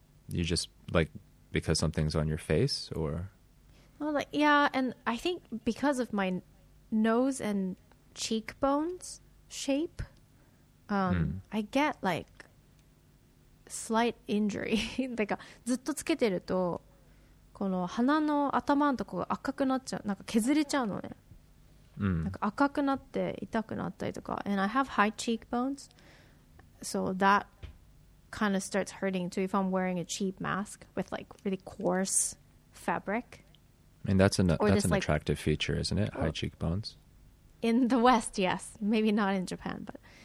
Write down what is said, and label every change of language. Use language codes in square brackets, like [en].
[en] You just, like, because something's on your face, or... Well, like, yeah, and I think because of my nose and cheekbones shape, I get like slight injury. [ja] なんかずっとつけてるとこの鼻の頭のとこが赤くなっちゃう、なんか削れちゃうのね。なんか赤くなって痛くなったりとか。 [en] And I have high cheekbones, so that kind of starts hurting too if I'm wearing a cheap mask with like really coarse fabric. I mean, that's an like, attractive feature, isn't it? High cheekbones. In the West, yes. Maybe not in Japan, but...